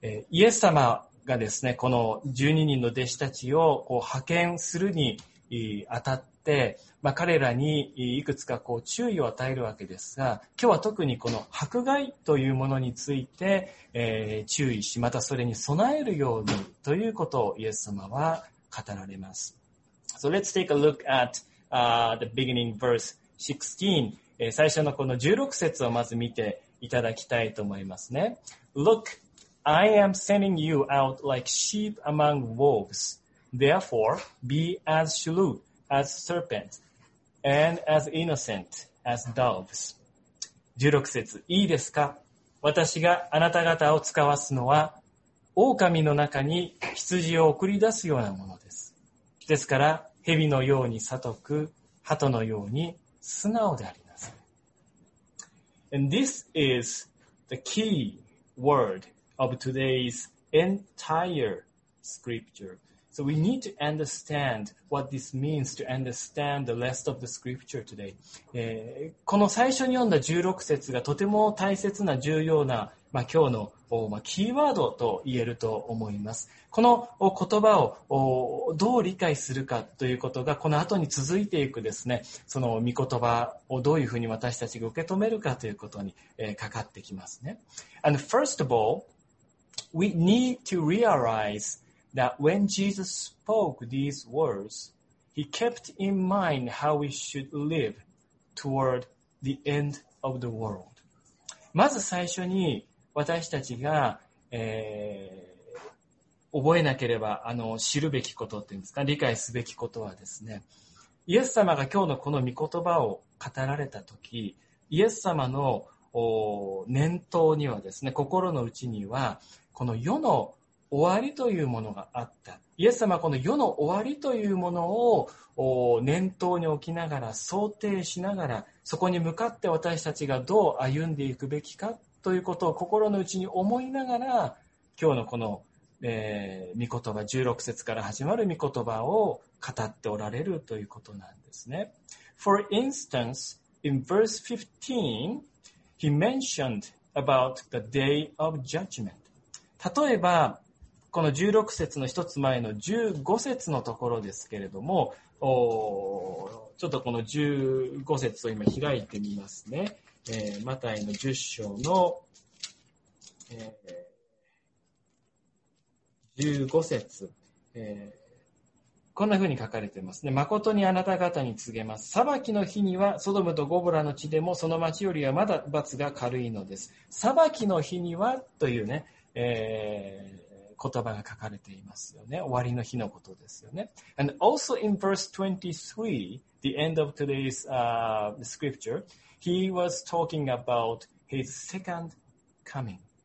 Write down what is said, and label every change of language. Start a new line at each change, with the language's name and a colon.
Japanese: イエス様がですね、この12人の弟子たちをこう派遣するにあたって、まあ、彼らにいくつかこう注意を与えるわけですが、今日は特にこの迫害というものについて、注意し、またそれに備えるようにということをイエス様は語られます。
English: So let's take a look at, the beginning verse. 16.
Japanese: 最初のこの16節をまず見ていただきたいと思いますね。
English: Look, I am sending you out like sheep among wolves. Therefore, be as shrewd as serpents and as innocent as doves.
Japanese: 16節、いいですか？私があなた方を使わすのは、狼の中に羊を送り出すようなものです。ですから、蛇のように悟く、鳩のように素直であります。
English: And this is the key word of today's entire scripture. So we need to understand what this means to understand the rest of the scripture today.
Japanese: この最初に読んだ16節がとても大切な重要な、まあ、今日の、まあ、キーワードと言えると思います。この言葉をどう理解するかということが、この後に続いていくですね、その御言葉をどういうふうに私たちが受け止めるかということに、かかってきますね。
English: And first of all, we need to realize that when Jesus spoke these words, he kept in mind how we should live toward the end of the world.
Japanese: まず最初に私たちが、覚えなければ知るべきことっていうんですか、理解すべきことはですね、イエス様が今日のこの御言葉を語られたとき、イエス様の念頭にはですね、心の内にはこの世の終わりというものがあった。イエス様はこの世の終わりというものを念頭に置きながら、想定しながら、そこに向かって私たちがどう歩んでいくべきかということを心の内に思いながら、今日のこの御言葉、16節から始まる御言葉を語っておられるということなんですね。
English: For instance, in verse 15, he mentioned about the day of judgment.
Japanese: 例えば、この16節の一つ前の15節のところですけれども、ちょっとこの15節を今開いてみますね。マタイの10章の、15節、こんな風に書かれてますね。誠にあなた方に告げます、裁きの日にはソドムとゴモラの地でもその町よりはまだ罰が軽いのです。裁きの日にはというね、言葉が書かれていますよね。終わりの日のことですよね。
English: And also in verse 23, the end of today's scripture, he was talking about his second coming.